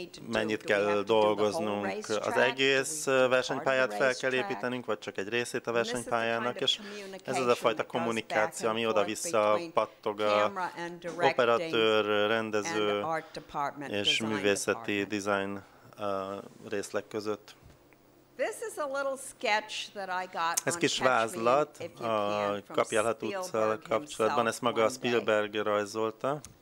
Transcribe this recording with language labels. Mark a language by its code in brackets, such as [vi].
[hu] mennyit kell dolgoznunk, az egész versenypályát fel kell építenünk, vagy csak egy részét a versenypályának, és ez az a fajta kommunikáció, ami oda-vissza pattog a operatőr, rendező és művészeti design részlek között. [en] This is a little sketch that I got. [hu] Ez kis vázlat a Kapjálhat utcával kapcsolatban, ezt maga a Spielberg rajzolta.